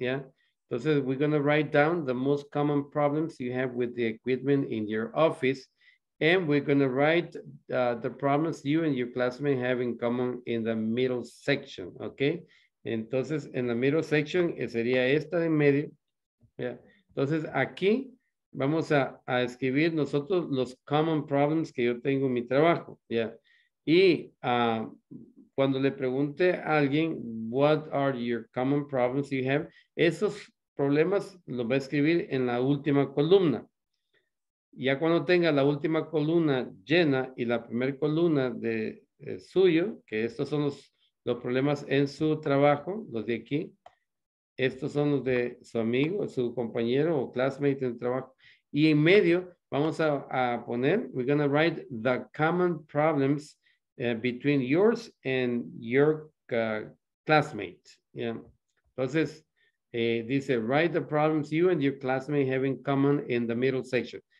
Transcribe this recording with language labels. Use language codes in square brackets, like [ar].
[en] Yeah, entonces we're going to write down the most common problems you have with the equipment in your office, and we're going to write the problems you and your classmate have in common in the middle section. [es] Ok, entonces en la middle section sería esta de en medio. Yeah. Entonces aquí vamos a escribir nosotros los common problems que yo tengo en mi trabajo. Yeah. Y cuando le pregunte a alguien, what are your common problems you have? Esos problemas los va a escribir en la última columna. Ya cuando tenga la última columna llena y la primera columna de suyo, que estos son los problemas en su trabajo, los de aquí. Estos son los de su amigo, su compañero o classmate en el trabajo. Y en medio vamos a poner, we're going to write the common problems between yours and your classmate. Yeah. Entonces, dice, write the problems you and your classmate have in common in the middle section.